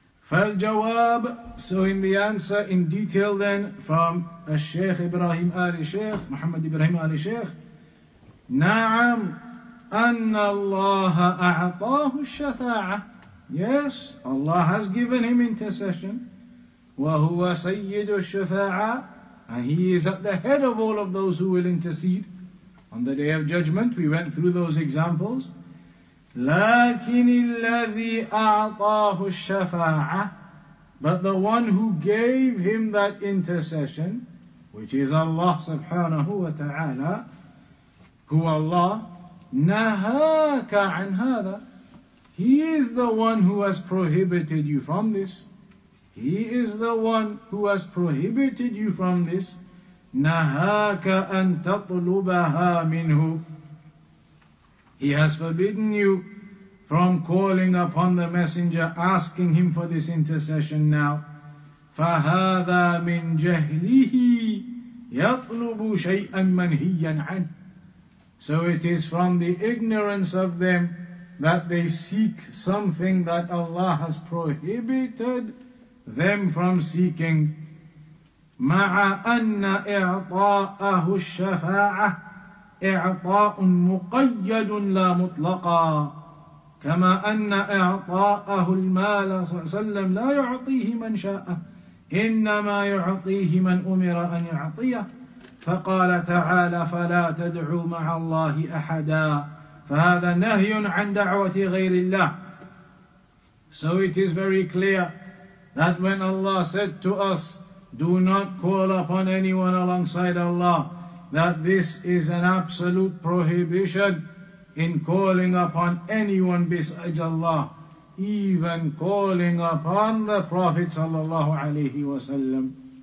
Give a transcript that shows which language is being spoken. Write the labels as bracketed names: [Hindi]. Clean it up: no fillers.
[Arabic] فَالْجَوَابُ, [English] so in the answer in detail then from [Arabic] الشيخ إبراهيم آل الشيخ, محمد إبراهيم آل الشيخ, نعم أَنَّ اللَّهَ أَعْطَاهُ الشَّفَاعَةَ. [English] Yes, Allah has given him intercession. [Arabic] وَهُوَ سَيِّدُ الشَّفَاعَةَ, [English] and he is at the head of all of those who will intercede on the Day of Judgment. We went through those examples. [Arabic] لَكِنِ الَّذِي أَعْطَاهُ الشَّفَاعَةَ, [English] but the one who gave him that intercession, which is Allah subhanahu wa ta'ala, who Allah, [Arabic] نَهَاكَ عَنْ هَذَا, [English] he is the one who has prohibited you from this. He is the one who has prohibited you from this. [Arabic] نَهَاكَ أَن تَطْلُبَهَا مِنْهُ, [English] he has forbidden you from calling upon the messenger, asking him for this intercession now. [Arabic] فهذا من جهله يطلب شيئا منهيا عنه. [English] So it is from the ignorance of them that they seek something that Allah has prohibited them from seeking. [Arabic] مع أن إعطاءه الشفاعة إعطاء مقيد لا مطلقا كما أن إعطاءه المال صلى الله عليه وسلم لا يعطيه من شاء إنما يعطيه من أمر أن يعطيه فقال تعالى فلا تدعوا مع الله أحدا فهذا نهي عن دعوة غير الله. [English] So it is very clear that when Allah said to us, do not call upon anyone alongside Allah, that this is an absolute prohibition in calling upon anyone besides Allah, even calling upon the Prophet sallallahu alayhi wa sallam.